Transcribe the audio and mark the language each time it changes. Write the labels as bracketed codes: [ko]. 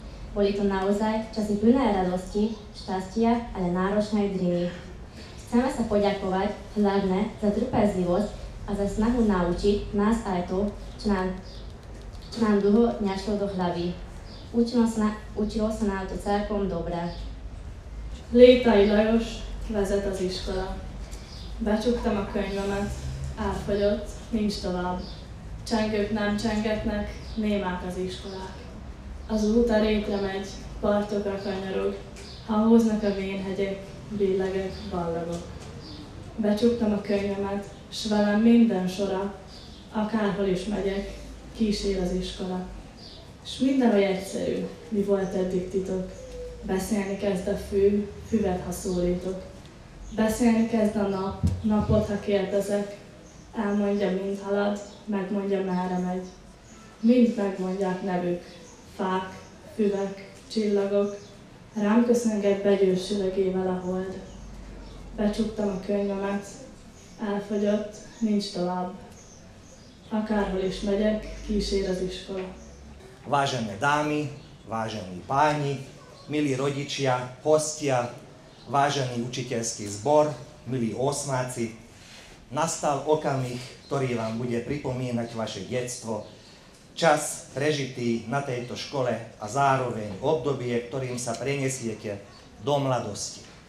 [sk] Boli to naozaj časy plné radosti, šťastia, ale náročnej driny. Chceme sa poďakovať hlavne za trpezlivosť a za snahu naučiť nás aj to, čo nám dlho nešlo do hlavy. Učilo sa nám to celkom dobre. [hu] Létai Lajos vezet az iskola. Becsuktam a könyvemet, elfogyott, nincs tovább. Csengők nem csengetnek, némák az iskolák. Az út a rétre megy, partokra kanyarog, ha hoznak a vénhegyek, billegek, ballagok. Becsuktam a könyvemet, s velem minden sora, akárhol is megyek, kísér az iskola. S minden olyan egyszerű, mi volt eddig titok. Beszélni kezd a fű, füvet, ha szólítok. Beszélni kezd a nap, napot, ha kérdezek, elmondja, mint halad, megmondja, merre megy. Mind megmondják nevük, fák, füvek, csillagok, rám köszönk egy begyősülögével a hold. Becsuktam a könyvemet, elfogyott, nincs tovább. Akárhol is megyek, kísér az iskola. [sk] Vážené dámy, vážení páni, milí rodičia, hostia, vážený učiteľský zbor, milí osmáci, nastal okamih, ktorý vám bude pripomínať vaše detstvo, čas prežitý na tejto škole a zároveň obdobie, ktorým sa prenesiete do mladosti.